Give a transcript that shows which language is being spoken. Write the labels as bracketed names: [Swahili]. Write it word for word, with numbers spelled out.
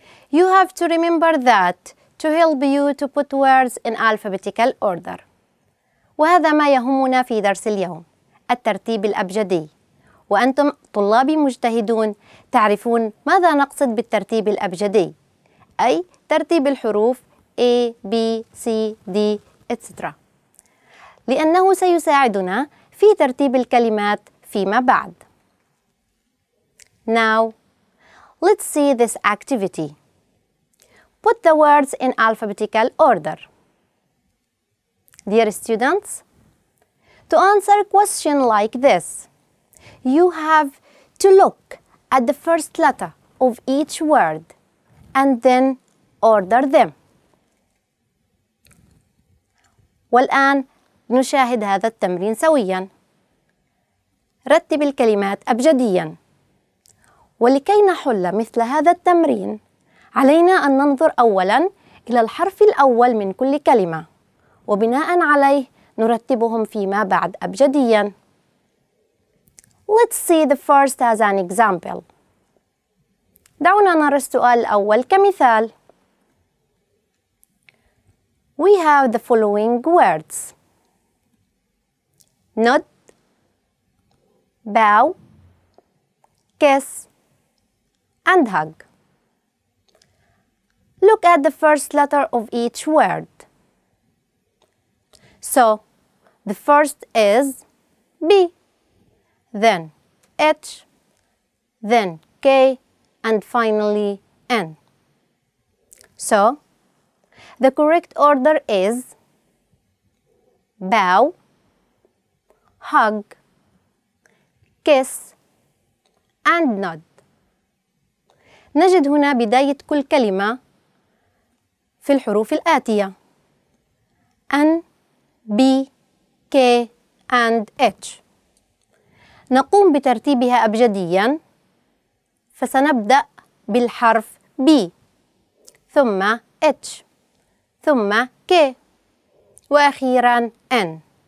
[English] You have to remember that to help you to put words in alphabetical order. [Arabic] وهذا ما يهمنا في درس اليوم، الترتيب الأبجدي. وأنتم طلابي مجتهدون تعرفون ماذا نقصد بالترتيب الأبجدي، أي ترتيب الحروف A, B, C, D, et cetera. لأنه سيساعدنا في ترتيب الكلمات فيما بعد. [English] Now, let's see this activity. Put the words in alphabetical order. Dear students, to answer a question like this, you have to look at the first letter of each word and then order them. [Arabic] والآن نشاهد هذا التمرين سوياً. رتب الكلمات أبجدياً. ولكي نحل مثل هذا التمرين، علينا أن ننظر أولاً إلى الحرف الأول من كل كلمة، وبناءً عليه نرتبهم فيما بعد أبجدياً. [English] Let's see the first as an example. [Arabic] دعونا نرى السؤال الأول كمثال. [English] We have the following words. Nod, bow, kiss, and hug. Look at the first letter of each word. So, the first is B. Then H, then K, and finally N. So, the correct order is bow, hug, kiss, and nod. [Arabic] نجد هنا بداية كل كلمة في الحروف الآتية: N, B, K, and H. نقوم بترتيبها أبجدياً، فسنبدأ بالحرف B ثم H ثم K وأخيراً N.